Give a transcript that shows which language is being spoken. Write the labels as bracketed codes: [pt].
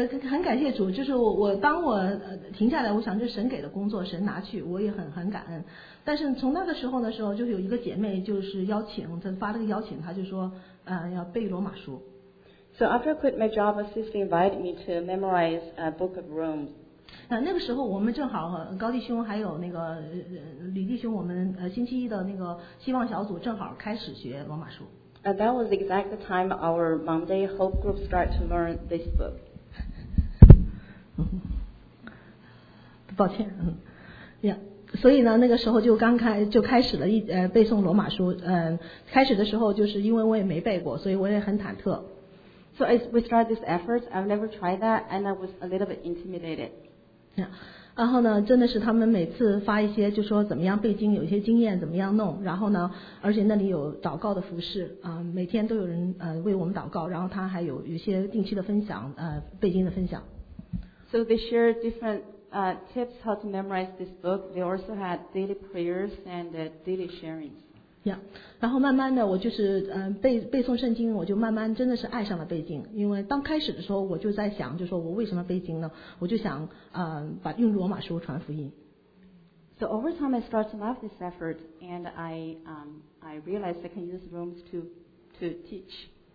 [zh] 很感谢主，就是我当我停下来，我想这神给的工作神拿去，我也很感恩。但是从那个时候的时候，就是有一个姐妹就是邀请，她发了个邀请，她就说，要背罗马书。 [en] So after I quit my job, my sister invited me to memorize a book of Romans. [zh] 那个时候我们正好高弟兄还有那个李弟兄，我们星期一的那个希望小组正好开始学罗马书。 [en] That was exactly the time our Monday Hope group started to learn this book. [zh] 抱歉，所以呢那个时候就开始了背诵罗马书。开始的时候就是因为我也没背过，所以我也很忐忑。 [en] So as we started this effort, I've never tried that, and I was a little bit intimidated. Yeah. [zh] 然后呢，真的是他们每次发一些，就说怎么样背经，有一些经验怎么样弄。然后呢，而且那里有祷告的服事，每天都有人为我们祷告。然后他还有一些定期的分享，背经的分享。 [en] So they share different tips how to memorize this book. They also had daily prayers and daily sharings. [zh] 然后慢慢的我就是背诵圣经，我就慢慢真的是爱上了背经。因为刚开始的时候我就在想，就说我为什么背经呢，我就想把用罗马书传福音。 [en] So over time I started to love this effort and I realized I can use rooms to teach.